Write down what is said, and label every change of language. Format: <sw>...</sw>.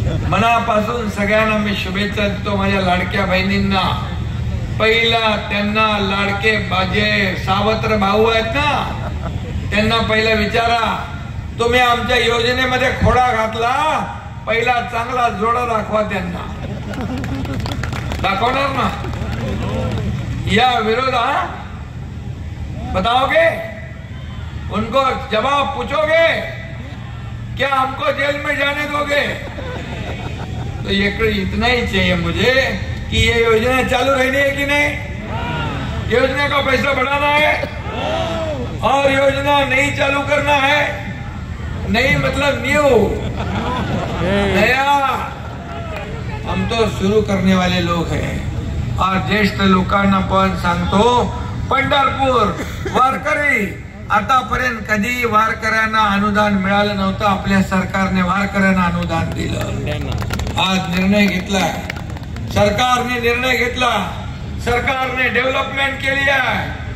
<mr>मनापासून सगळ्यांना मी शुभेच्छा देतो, माझ्या लाडक्या बहिणींना, पहिला त्यांना लाडके बाजे सावत्र भाऊ आहेत ना, त्यांना पहिला विचारा, तुम्ही आमच्या योजनेमध्ये खोडा घातला, पहिला चांगला जोडा दाखवा त्यांना, दाखवणार ना या विरोधा</mr> <hi>बताओगे, उनको जवाब पूछोगे, क्या हमको जेल में जाने दोगे? तो ये इतना ही चाहिए मुझे कि ये योजना चालू रहनी है कि नहीं, योजना का पैसा बढ़ाना है और योजना नहीं चालू करना है, नहीं मतलब न्यू, नया, हम तो शुरू करने वाले लोग हैं।</hi> <mr>और ज्येष्ठ लोकांना पण सांगतो, पंढरपूर वारकरी, आतापर्यंत कधी वारकऱ्यांना अनुदान मिळालं नव्हतं, आपल्या सरकारने वारकऱ्यांना अनुदान दिलं, आज निर्णय घेतला, सरकारने निर्णय घेतला, सरकारने डेव्हलपमेंट केली आहे।</mr>